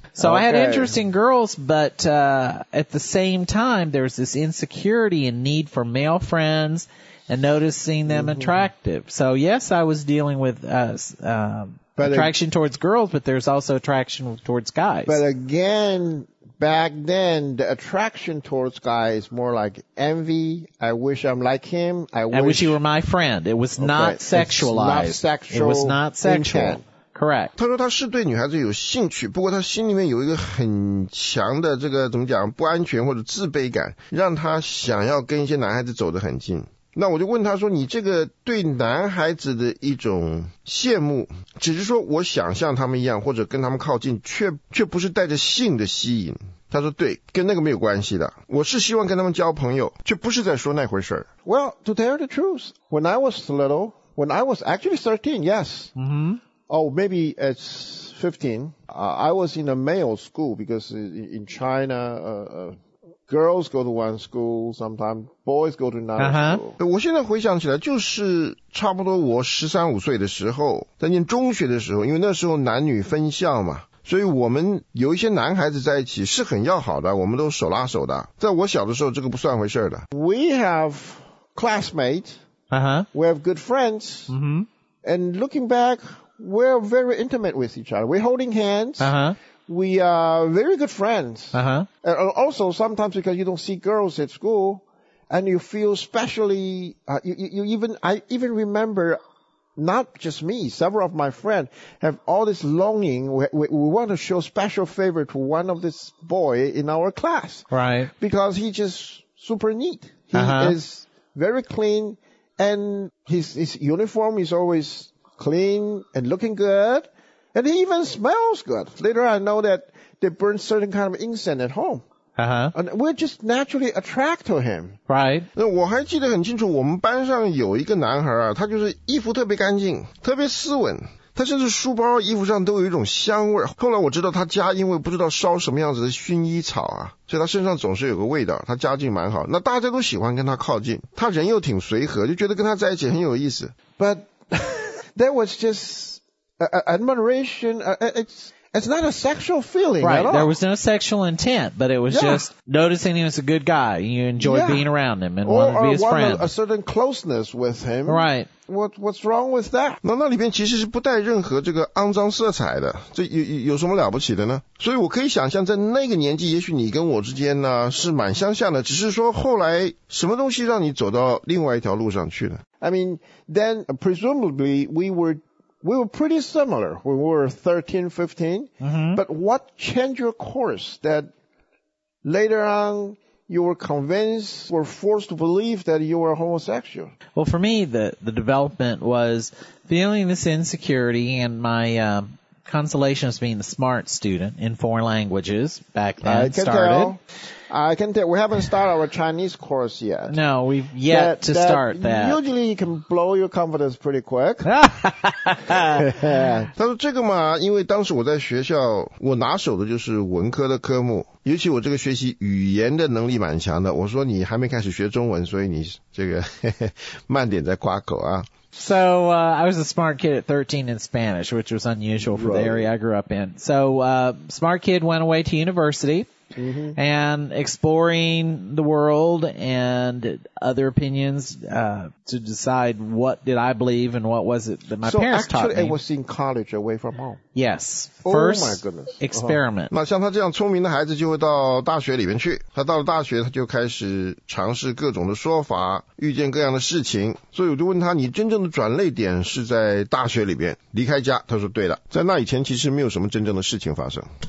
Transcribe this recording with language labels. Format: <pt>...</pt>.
<en>So I had interest in girls, but at the same time, there's this insecurity and need for male friends and noticing them attractive. So yes, I was dealing with attraction towards girls, but there's also attraction towards guys. But again, back then, the attraction towards guys is more like envy. I wish I'm like him. I wish you were my friend. It was not sexualized. It's not sexual. It was not sexual. Intent. Correct.</en> <zh>他说他是对女孩子有兴趣，不过他心里面有一个很强的这个怎么讲不安全或者自卑感，让他想要跟一些男孩子走得很近。那我就问他说，你这个对男孩子的一种羡慕，只是说我想像他们一样或者跟他们靠近，却不是带着性的吸引。他说对，跟那个没有关系的，我是希望跟他们交朋友，却不是在说那回事。</zh> <en>Well, to tell you the truth, when I was little, when I was actually 13, yes. Mm-hmm. Oh, maybe it's 15. I was in a male school because in China, girls go to one school, sometimes boys go to another school.</en> <zh>我现在回想起来就是差不多我十三五岁的时候，在念中学的时候，因为那时候男女分校嘛，所以我们有一些男孩子在一起是很要好的，我们都手拉手的。在我小的时候这个不算回事的。</zh> <en>We have classmates. We have good friends. And looking back, we're very intimate with each other. We're holding hands. We are very good friends. And also, sometimes because you don't see girls at school, and you feel specially, I even remember, not just me, several of my friends have all this longing. We want to show special favor to one of this boy in our class. Right. Because he's just super neat. He is very clean, and his uniform is always clean and looking good. And he even smells good. Later, I know that they burn certain kind of incense at home. And we're just naturally attracted to him. Right.</en> <zh>那我还记得很清楚，我们班上有一个男孩啊，他就是衣服特别干净，特别斯文。他甚至书包、衣服上都有一种香味。后来我知道他家因为不知道烧什么样子的薰衣草啊，所以他身上总是有个味道。他家境蛮好，那大家都喜欢跟他靠近。他人又挺随和，就觉得跟他在一起很有意思。</zh> <en>But that was just admiration. It's not a sexual feeling, right, at all. There was no sexual intent, but it was just noticing he was a good guy. You enjoyed being around him and wanted to be his friend. A certain closeness with him. Right. What's wrong with that?</en> <zh>那里边其实是不带任何这个肮脏色彩的，这有什么了不起的呢？所以我可以想象，在那个年纪，也许你跟我之间呢是蛮相像的，只是说后来什么东西让你走到另外一条路上去呢？</zh> <en>I mean, then presumably we were pretty similar when we were 13, 15. But what changed your course that later on you were convinced, were forced to believe that you were homosexual? Well, for me, the development was feeling this insecurity, and my consolation was being the smart student in foreign languages back then. I can tell. We haven't started our Chinese course yet. No, we've yet to start that. Usually you can blow your confidence pretty quick.</en> <zh>他说这个嘛，因为当时我在学校，我拿手的就是文科的科目，尤其我这个学习语言的能力蛮强的。我说你还没开始学中文，所以你这个慢点再夸口啊。</zh> <en>So, I was a smart kid at 13 in Spanish, which was unusual for the area I grew up in. So, smart kid went away to university. Mm-hmm. And exploring the world and other opinions to decide what did I believe and what was it that my parents taught me. So actually, I was in college away from home. Yes. First experiment.</en> <zh>那像他这样聪明的孩子就会到大学里面去。他到了大学，他就开始尝试各种的说法，遇见各样的事情。所以我就问他，你真正的转捩点是在大学里边离开家？他说对的，在那以前其实没有什么真正的事情发生。</zh>